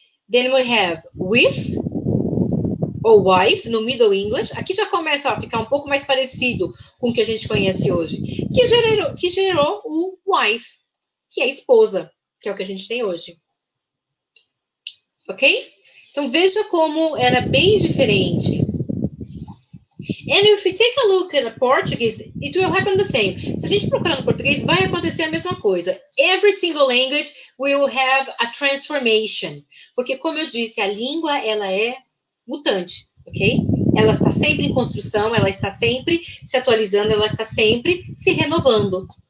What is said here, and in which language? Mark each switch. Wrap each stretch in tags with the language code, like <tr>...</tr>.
<en>Then we have with, ou wife, no Middle English.</en> <pt>Aqui já começa a ficar um pouco mais parecido com o que a gente conhece hoje. Que gerou o wife, que é a esposa, que é o que a gente tem hoje. Ok? Então veja como era bem diferente.</pt> <en>And if you take a look at the Portuguese, it will happen the same.</en> <pt>Se a gente procurar no português, vai acontecer a mesma coisa.</pt> <en>Every single language will have a transformation.</en> <pt>Porque, como eu disse, a língua, ela é mutante, ok? Ela está sempre em construção, ela está sempre se atualizando, ela está sempre se renovando.</pt>